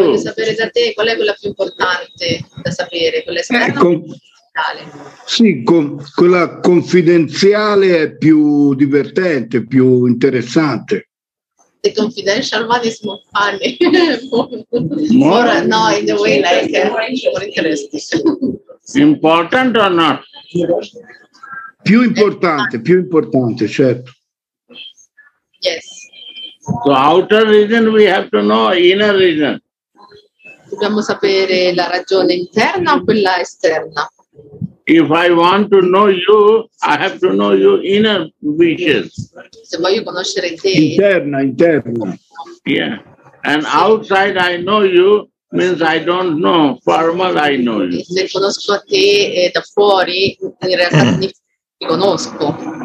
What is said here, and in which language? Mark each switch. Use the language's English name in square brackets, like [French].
[Italian] Voglio sapere da te qual è quella più importante da sapere, quella esterna o confidenziale? Sì, quella confidenziale è più divertente, più interessante. [English] The confidential one is more funny. more no, in the way like more interesting. Important or not? [Italian] Più importante, più importante, certo. [English] Yes. So outer reason we have to know, inner reason. [Italian] Dobbiamo sapere la ragione interna o quella esterna? [English] If I want to know you, I have to know your inner wishes. [Italian] Se voglio conoscere te. Interna. [English] Yeah. And sì. Outside I know you means I don't know. Formal I know you. [Italian] Se conosco te da fuori, in realtà ti conosco.